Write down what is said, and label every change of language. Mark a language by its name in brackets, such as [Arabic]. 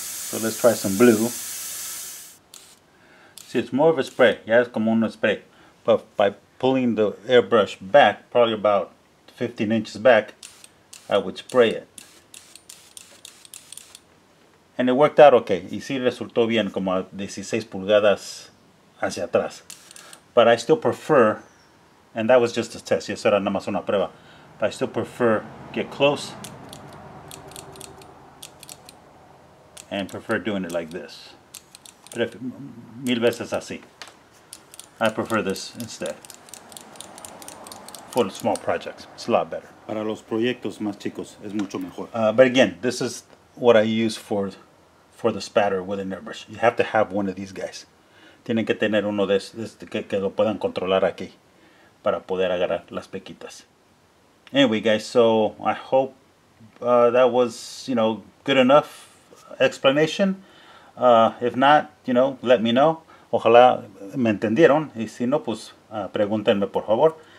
[English] So let's try some blue. See, it's more of a spray. Yeah, it's [Spanish] como un spray. [English] But by pulling the airbrush back, probably about 15 inches back, I would spray it. And it worked out okay. [Spanish] Y sí resultó bien, como a 16 pulgadas hacia atrás. [English] But I still prefer. And that was just a test. Yes, [Spanish] era nada más una prueba. [English] But I still prefer get close and prefer doing it like this. [Spanish] Mil veces así. [English] I prefer this instead. For small projects, it's a lot better. [Spanish] Para los proyectos más chicos, es mucho mejor. [English] But again, this is what I use for the spatter with an airbrush. You have to have one of these guys. [Spanish] Tienen que tener uno de estos que lo puedan controlar aquí. Para poder agarrar las pequitas. [English] Anyway, guys, so I hope that was, you know, good enough explanation. If not, you know, let me know. [Spanish] Ojalá me entendieron. Y si no, pues pregúntenme, por favor.